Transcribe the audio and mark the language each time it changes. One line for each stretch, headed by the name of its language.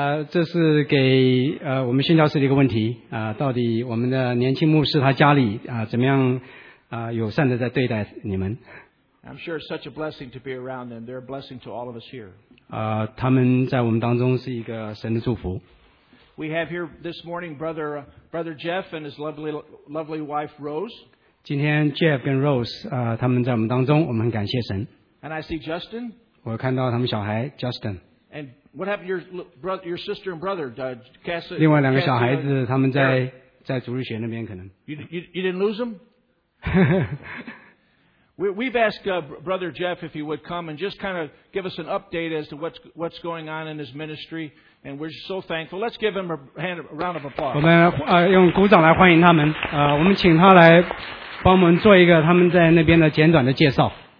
Chinese: 这是给我们宣教士的一个问题到底我们的年轻牧师他家里怎么样友善的在对待你们。
English: I'm sure it's such a blessing to be around them. They're a blessing to all of us here.
Chinese: 他们在我们当中是一个神的祝福。
English: We have here this morning brother Jeff and his lovely wife Rose.
Chinese: 今天 Jeff 跟 Rose 他们在我们当中，我们很感谢神。
English: And I see Justin.
Chinese: 我看到他们小孩 Justin.
English: And what happened to your sister and brother, Cassie?
Chinese: 另外两个小孩子，他们在主日学那边可能。
English: You didn't lose them? We've asked Brother Jeff if he would come and just kind of give us an update as to what's going on in his ministry, and we're so thankful. Let's give him a round of applause.
Chinese: 我们用鼓掌来欢迎他们。我们请他来帮我们做一个他们在那边的简短的介绍。